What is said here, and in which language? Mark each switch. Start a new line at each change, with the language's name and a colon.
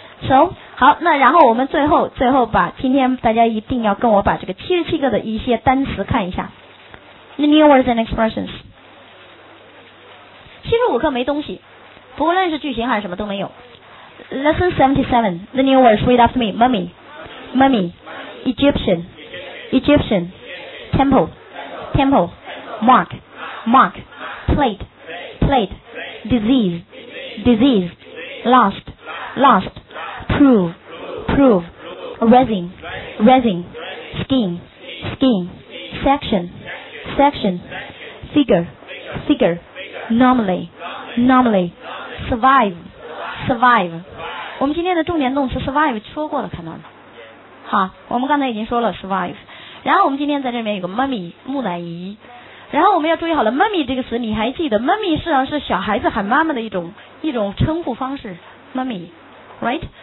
Chinese: 行，好，那然后我们最后把今天大家一定要跟我把这个77个的一些单词看一下
English: The new words and expressions。
Chinese: 75课没东西，不论是句型还是什么都没有。
English: Lesson 77 The new words, read after me. Mummy, Mummy, Egyptian, Egyptian, Temple, Temple, Mark, Mark, Plate, Plate, Disease, Disease, Lost, Lost, Prove, Prove, Resin, Resin, Skin, Skin, Section, Section, Figure, Figure, Normally, Normally,Survive, survive.
Chinese: 我们今天的重点动词 survive 说过了，看到了。好，我们刚才已经说了 survive。然后我们今天在这边有个 mummy 木乃伊。然后我们要注意好了 ，mummy 这个词，你还记得 ？mummy 实际上是小孩子喊妈妈的一种称呼方式 ，
English: mummy, right？